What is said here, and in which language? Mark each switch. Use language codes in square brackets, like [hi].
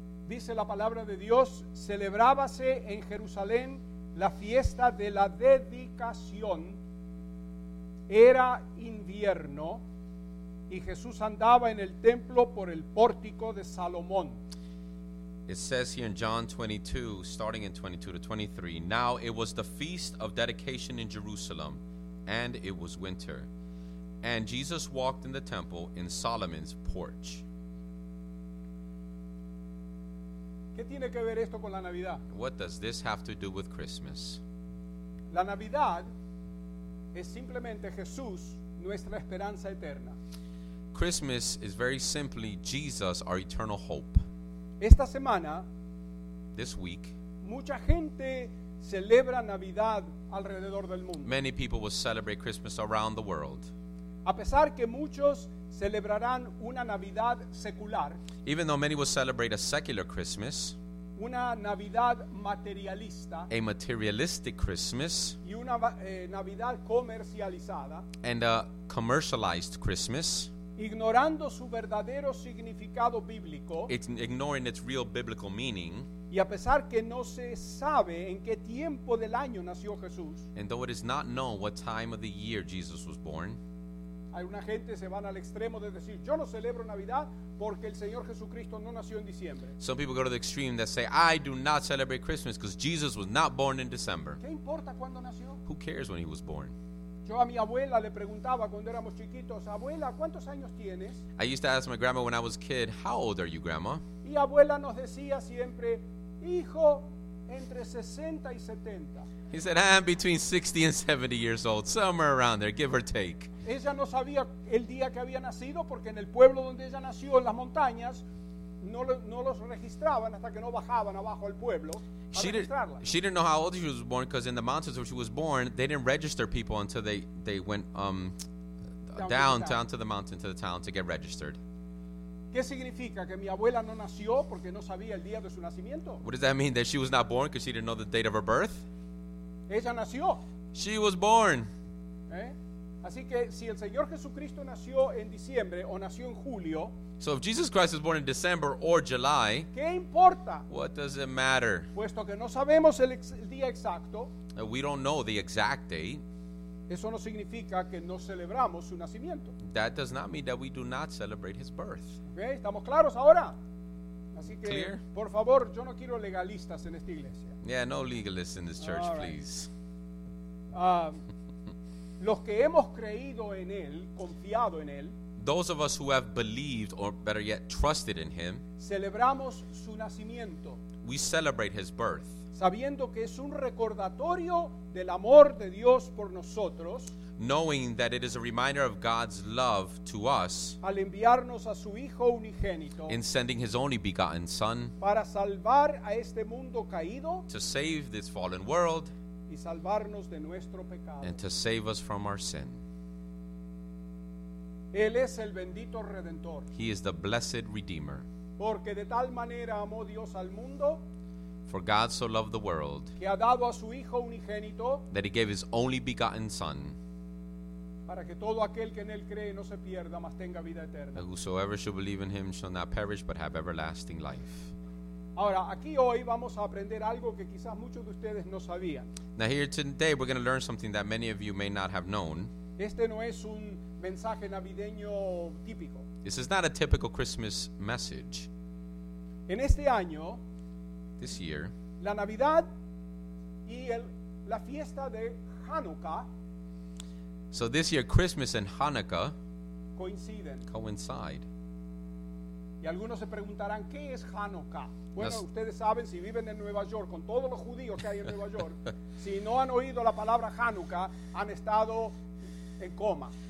[es] Dice la palabra de Dios, celebrábase en Jerusalén la fiesta de la dedicación. Era invierno y Jesús andaba en el templo por el pórtico de Salomón. [en] It says here in John 22, starting in 22 to 23, now it was the feast of dedication in Jerusalem, and it was winter. And Jesus walked in the temple in Solomon's porch. [es] ¿Qué tiene que ver esto con la Navidad? [en] What does this have to do with Christmas? [es] La Navidad es simplemente Jesús, nuestra esperanza eterna. [en] Christmas is very simply Jesus, our eternal hope. [es] Esta semana, [en] this week, [es] mucha gente celebra Navidad alrededor del mundo. [en] Many people will celebrate Christmas around the world. [es] A pesar que muchos celebrarán una Navidad secular, [en] even though many will celebrate a secular Christmas, [es] una Navidad materialista, [en] a materialistic Christmas, [es] y una Navidad comercializada, [en] and a commercialized Christmas, [es] ignorando su verdadero significado bíblico, [en] ignoring its real biblical meaning, [es] y a pesar que no se sabe en qué tiempo del año nació Jesús, [en] and though it is not known what time of the year Jesus was born, [es] alguna gente se van al extremo de decir, yo no celebro Navidad porque el Señor Jesucristo no nació en diciembre. [en] Some people go to the extreme that say, I do not celebrate Christmas because Jesus was not born in December. [es] ¿Qué importa cuándo nació? [en] Who cares when he was born? [es] Yo a mi abuela le preguntaba cuando éramos chiquitos, abuela, ¿cuántos años tienes? [en] I used to ask my grandma when I was a kid, how old are you, grandma? [es] Y abuela nos decía siempre, hijo, entre 60 y 70. [en] He said, I'm between 60 and 70 years old, somewhere around there, give or take. [es] Ella no sabía el día que había nacido porque en el pueblo donde ella nació, en las montañas, no los registraban hasta que no bajaban abajo al pueblo. [en] She didn't know how old she was born because in the mountains where she was born, they didn't register people until they went down to the mountain, to the town to get registered. [es] ¿Qué significa que mi abuela no nació porque no sabía el día de su nacimiento? [en] What does that mean, that she was not born because she didn't know the date of her birth? [es] Ella nació. [en] She was born. [es] Así que si el Señor Jesucristo nació en diciembre o nació en julio, [en] so if Jesus Christ was born in December or July, [es] ¿qué importa? [en] What does it matter? [es] Puesto que no sabemos el día exacto, [en] we don't know the exact date. [es] Eso no significa que no celebramos su nacimiento. [en] That does not mean that we do not celebrate his birth. [es] Okay, ¿estamos claros ahora? Así que, clear? Por favor, yo no quiero legalistas en esta iglesia. [en] Yeah, no legalists in this church, right. Please. [es] Los que hemos creído en él, confiado en él, [en] those of us who have believed, or better yet, trusted in him, [es] celebramos su nacimiento. [en] We celebrate his birth. [es] Sabiendo que es un recordatorio del amor de Dios por nosotros, [en] knowing that it is a reminder of God's love to us, [es] al enviarnos a su Hijo unigénito, [en] in sending his only begotten Son, [es] para salvar a este mundo caído, [en] to save this fallen world, [es] y salvarnos de nuestro pecado, [en] and to save us from our sin. [es] Él es el bendito Redentor. [en] He is the blessed Redeemer. [es] Porque de tal manera amó Dios al mundo, [en] for God so loved the world, [es] que ha dado a su Hijo unigénito, [en] that he gave his only begotten Son, [es] para que todo aquel que en él cree no se pierda, mas tenga vida eterna. [en] That whosoever shall believe in him shall not perish, but have everlasting life. [es] Ahora, aquí hoy vamos a aprender algo que quizás muchos de ustedes no sabían. [en] Now here today we're going to learn something that many of you may not have known. [es] Este no es un mensaje navideño típico. [en] This is not a typical Christmas message. [es] En este año, [en] this year, [es] la Navidad y la fiesta de Hanukkah, [en] so this year Christmas and Hanukkah [es] coinciden. [en] Coincide. [es] Y algunos se preguntarán, ¿qué es Hanukkah? Bueno, ustedes saben, si viven en Nueva York, con todos los judíos que hay en Nueva York, si no han oído la palabra Hanukkah, han estado en coma.